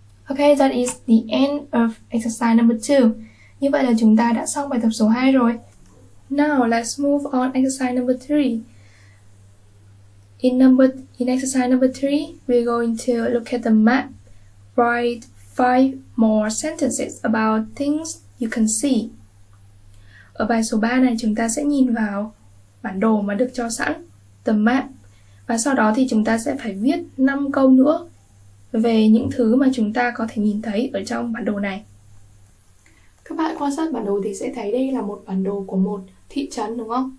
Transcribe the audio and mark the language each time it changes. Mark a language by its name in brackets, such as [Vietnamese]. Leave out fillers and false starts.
[English] Okay, that is the end of exercise number 2. [Vietnamese] Như vậy là chúng ta đã xong bài tập số 2 rồi. [English] Now, let's move on exercise number 3. In exercise number 3, we're going to look at the map. Write 5 more sentences about things you can see. [Vietnamese] Ở bài số 3 này, chúng ta sẽ nhìn vào bản đồ mà được cho sẵn, the map. Và sau đó thì chúng ta sẽ phải viết 5 câu nữa về những thứ mà chúng ta có thể nhìn thấy ở trong bản đồ này. Các bạn quan sát bản đồ thì sẽ thấy đây là một bản đồ của một thị trấn đúng không?